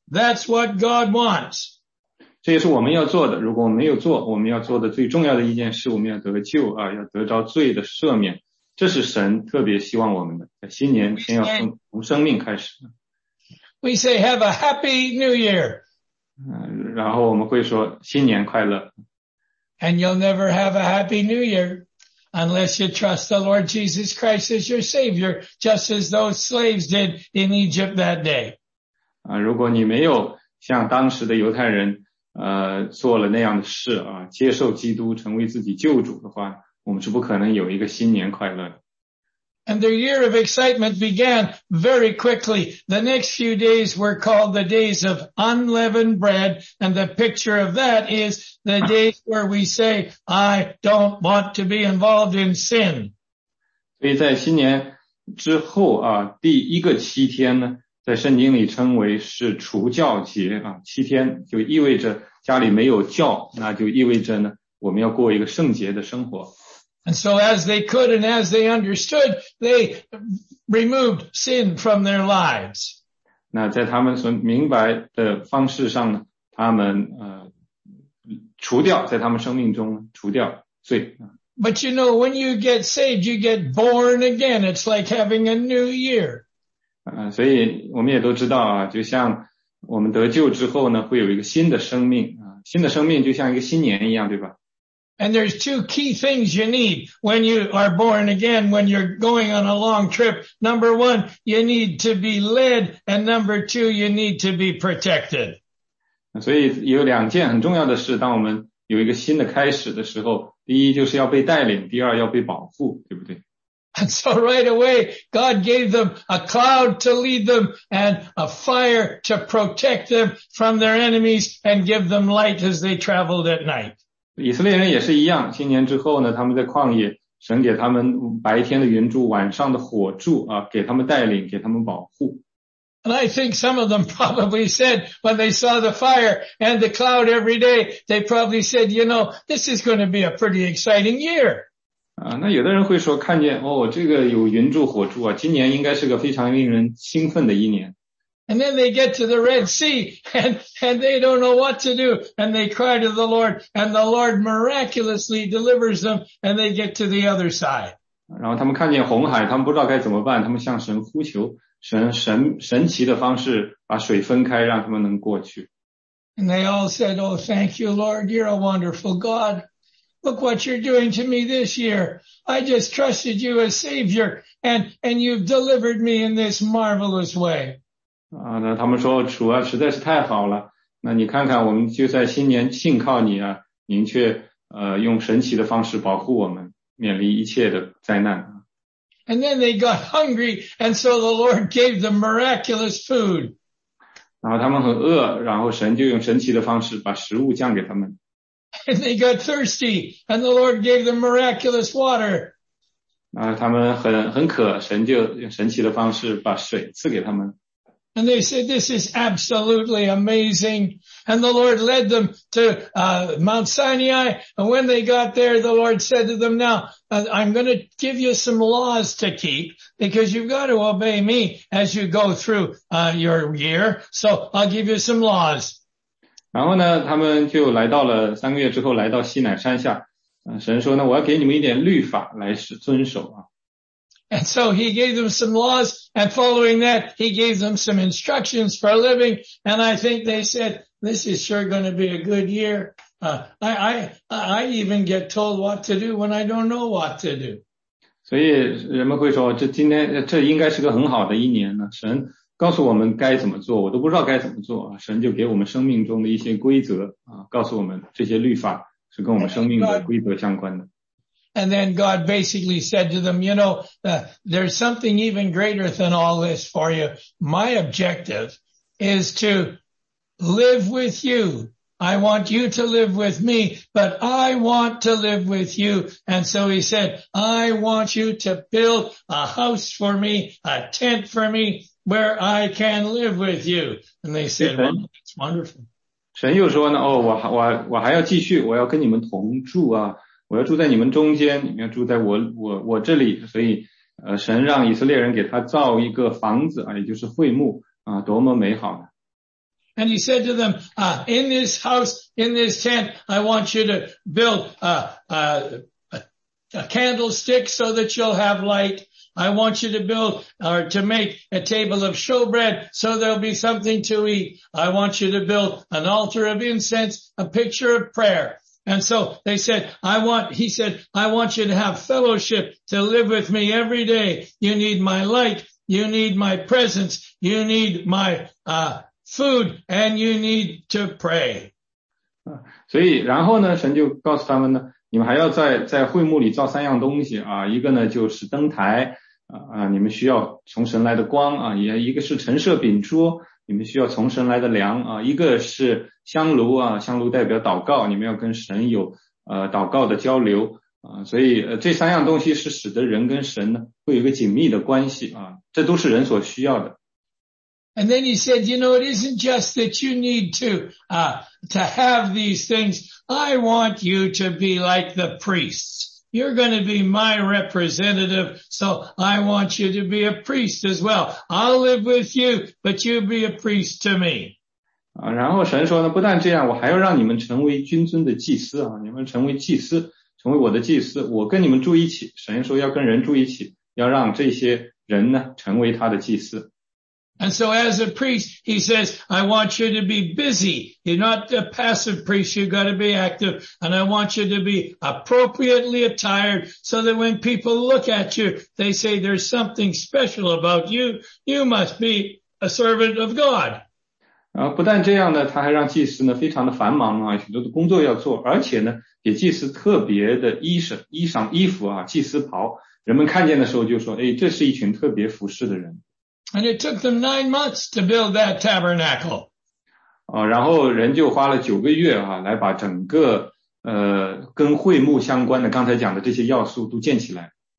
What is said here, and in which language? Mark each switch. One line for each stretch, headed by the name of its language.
English: That's what God wants.
Chinese: 这也是我们要做的。如果我们没有做，我们要做的最重要的一件事，我们要得救啊，要得着罪的赦免。这是神特别希望我们的。在新年，先要从生命开始。
English: We say, have a happy new year.
Chinese: 然后我们会说新年快乐。
English: And you'll never have a happy new year unless you trust the Lord Jesus Christ as your savior, just as those slaves did in Egypt that day.
Chinese: 如果你没有像当时的犹太人做了那样的事啊，接受基督成为自己救主的话，我们是不可能有一个新年快乐的。
English: And their year of excitement began very quickly. The next few days were called the days of unleavened bread. And the picture of that is the days where we say, I don't want to be involved in sin.
Chinese: 所以在新年之后啊，第一个七天呢，在圣经里称为是除酵节啊，七天就意味着家里没有酵，那就意味着呢，我们要过一个圣洁的生活。
English: And so as they could and as they understood, they removed sin from their lives.
Chinese: 那在他们所明白的方式上呢，他们除掉，在他们生命中除掉罪。
English: But you know, when you get saved, you get born again. It's like having a new year.
Chinese: 所以我们也都知道啊，就像我们得救之后呢，会有一个新的生命啊，新的生命就像一个新年一样，对吧？
English: And there's two key things you need when you are born again, when you're going on a long trip. Number one, you need to be led. And number two, you need to be protected.
Chinese: 所以有两件很重要的事，当我们有一个新的开始的时候，第一就是要被带领，第二要被保护，对不对？
English: And so right away, God gave them a cloud to lead them and a fire to protect them from their enemies and give them light as they traveled at night.
Chinese: 以色列人也是一样，新年之后呢，他们在旷野，神给他们白天的云柱，晚上的火柱啊，给他们带领，给他们保护。
English: And I think some of them probably said when they saw the fire and the cloud every day, they probably said, you know, this is going to be a pretty exciting year.
Chinese: 那有的人会说，看见哦，这个有云柱火柱啊，今年应该是个非常令人兴奋的一年。
English: And then they get to the Red Sea and they don't know what to do. And they cry to the Lord and the Lord miraculously delivers them and they get to the other side.
Chinese: 然后他们看见红海，他们不知道该怎么办，他们向神呼求，神奇的方式把水分开，让他们能过去。
English: And they all said, oh, thank you, Lord, you're a wonderful God. Look what you're doing to me this year. I just trusted you as Savior, and you've delivered me in this marvelous way.
Chinese: 那他们说，主啊，实在是太好了。那你看看，我们就在新年信靠你啊，您却用神奇的方式保护我们。免离一切的灾难。
English: And then they got hungry, and so the Lord gave them miraculous food.
Chinese: 然后他们很饿，然后神就用神奇的方式把食物降给他们。
English: And they got thirsty, and the Lord gave them miraculous water.
Chinese: 然后他们很渴，神就用神奇的方式把水赐给他们。
English: And they said, this is absolutely amazing. And the Lord led them to Mount Sinai. And when they got there, the Lord said to them, now, I'm going to give you some laws to keep because you've got to obey me as you go through your year. So I'll give you some laws.
Chinese: 然后呢，他们就来到了三个月之后来到西乃山下。神说呢，我要给你们一点律法来遵守啊。
English: And so he gave them some laws, and following that, he gave them some instructions for living, and I think they said, this is sure going to be a good year. I even get told what to do when I don't know what to do.
Chinese: 所以人们会说，这应该是个很好的一年呢。神告诉我们该怎么做，我都不知道该怎么做。神就给我们生命中的一些规则，告诉我们这些律法是跟我们生命的规则相关的。
English: And then God basically said to them, you know, there's something even greater than all this for you. My objective is to live with you. I want you to live with me, but I want to live with you. And so he said, I want you to build a house for me, a tent for me, where I can live with you. And they said, well, that's wonderful.
Chinese: 神又说呢，哦，我还要继续，我要跟你们同住啊。我要住在你们中间，你们要住在我这里，所以神让以色列人给他造一个房子啊，也就是会幕啊，多么美好呢。
English: And he said to them, in this house, in this tent, I want you to build a candlestick so that you'll have light. I want you to build or to make a table of showbread so there'll be something to eat. I want you to build an altar of incense, a picture of prayer. And so they said, he said, I want you to have fellowship to live with me every day. You need my light. You need my presence. You need my, food and you need to pray.
Chinese: 所以然后呢神就告诉他们呢你们还要在会幕里造三样东西啊一个呢就是灯台啊你们需要从神来的光啊也一个是陈设饼桌。你们需要从神来的粮啊，一个是香炉啊，香炉代表祷告，你们要跟神有祷告的交流啊，所以这三样东西是使得人跟神呢会有一个紧密的关系啊，这都是人所需要的。
English: And then he said, you know, it isn't just that you need to have these things. I want you to be like the priests. You're going to be my representative, so I want you to be a priest as well. I'll live with you, but you be a priest to me.
Chinese: 然后神说呢，不但这样，我还要让你们成为君尊的祭司啊，你们成为祭司，成为我的祭司，我跟你们住一起。神说要跟人住一起，要让这些人呢成为他的祭司。
English: And so as a priest, he says, I want you to be busy. You're not a passive priest. You've got to be active. And I want you to be appropriately attired so that when people look at you, they say there's something special about you. You must be a servant of God.
Chinese: 然后不但这样呢，他还让祭司呢非常的繁忙啊，许多的工作要做，而且呢给祭司特别的衣裳衣服啊，祭司袍。人们看见的时候就说，哎，这是一群特别服侍的人。
English: And it took them 9 months to build that tabernacle.
Chinese: 然后人就花了九个月啊，来把整个跟会幕相关的刚才讲的这些要素都建起来。